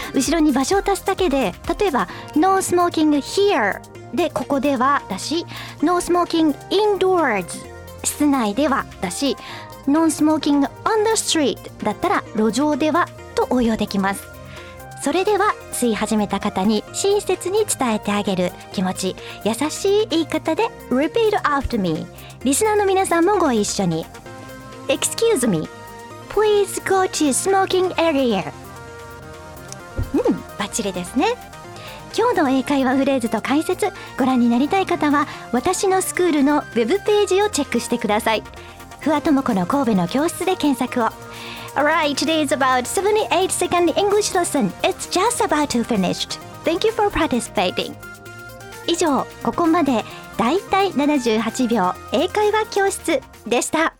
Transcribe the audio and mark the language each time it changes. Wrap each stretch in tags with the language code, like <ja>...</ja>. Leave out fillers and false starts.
<ja>後ろに場所を足すだけで、例えば</ja> <en>No smoking here</en> <ja>で、ここではだし、</ja> <en>No smoking indoors、</en> <ja>室内ではだし、ノンスモーキングオンザストリートだったら路上ではと応用できます。それでは吸い始めた方に親切に伝えてあげる気持ち、優しい言い方で</ja> <en>Repeat after me。</en> <ja>リスナーの皆さんもご一緒に</ja> <en>Excuse me, please go to smoking area。</en> <ja>うん、バッチリですね。今日の英会話フレーズと解説、ご覧になりたい方は私のスクールのウェブページをチェックしてください。ふわともこの神戸の教室で検索を。</ja> <en>Alright, today is about 78 second English lesson. It's just about to finish. Thank you for participating.</en> <ja>以上、ここまでだいたい78秒英会話教室でした。</ja>